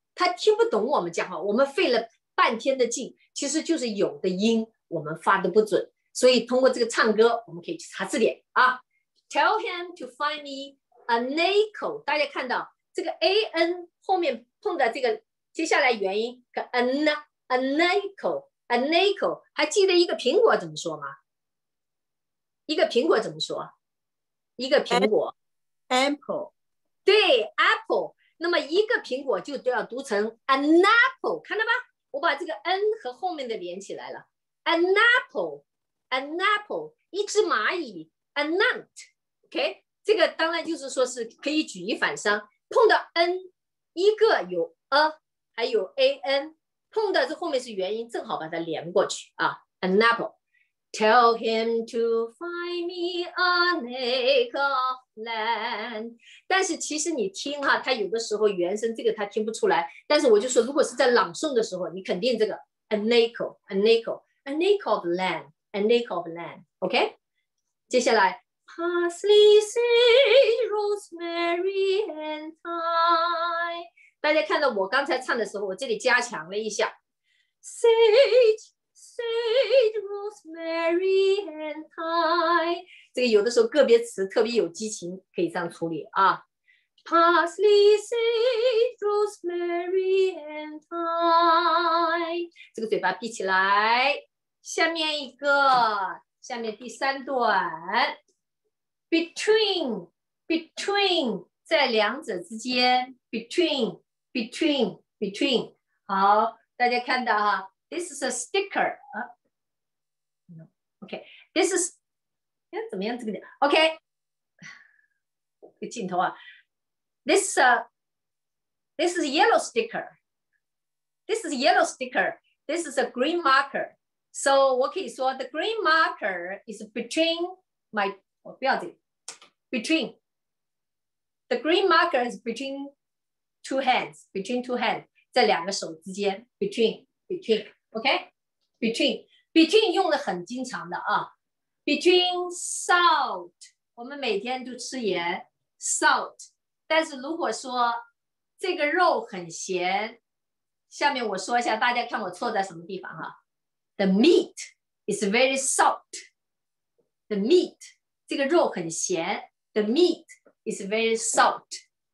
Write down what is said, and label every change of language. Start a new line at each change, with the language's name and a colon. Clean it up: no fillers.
Chinese: 他听不懂我们讲话，我们费了半天的劲，其实就是有的音我们发的不准，所以通过这个唱歌，我们可以去查字典啊。
English: Tell him to find me an acre.
Chinese: 大家看到这个 A N 后面碰的这个接下来元音
English: an acre。 An acre，
Chinese: 还记得一个苹果怎么说吗？一个苹果怎么说？一个苹果
English: ，apple，
Chinese: 对 ，apple。那么一个苹果就都要读成
English: an apple，
Chinese: 看到吧？我把这个 n 和后面的连起来了 ，
English: an apple，an apple，
Chinese: 一只蚂蚁 ，
English: a nut，
Chinese: OK，、okay? 这个当然就是说是可以举一反三，碰到 n， 一个有 a， 还有 a n。碰到这后面是元音，正好把它连过去啊。
English: An apple, tell him to find me an acre of land。
Chinese: 但是其实你听哈，他有的时候原声这个他听不出来。但是我就说，如果是在朗诵的时候，你肯定这个
English: an acre, an acre, an acre of land, an acre of land。 OK，
Chinese: 接下来
English: parsley, sage, rosemary, and thyme。
Chinese: 大家看到我刚才唱的时候，我这里加强了一下 ，
English: sage sage rosemary and thyme，
Chinese: 这个有的时候个别词特别有激情，可以这样处理啊。
English: Parsley sage rosemary and thyme，
Chinese: 这个嘴巴闭起来。下面一个，下面第三段 ，between 在两者之间 ，between。
English: Between，
Chinese: 好，大家看到哈
English: ，this is a sticker 啊 ，OK，this is，
Chinese: 哎，怎么样这个点
English: ？OK，
Chinese: 这个镜头啊
English: ，this is a yellow sticker，this is a yellow sticker，this is a green marker，so
Chinese: 我可以说
English: the green marker is between my，
Chinese: 我不要这个
English: ，between，the green marker is between。 Between two hands，
Chinese: 在两个手之间 ，between，OK，between 用的很经常的啊 ，between salt， 我们每天都吃盐 ，salt， 但是如果说这个肉很咸，下面我说一下，大家看我错在什么地方哈、啊、，
English: the meat is very salt，
Chinese: the meat 这个肉很咸 ，the meat is very salt。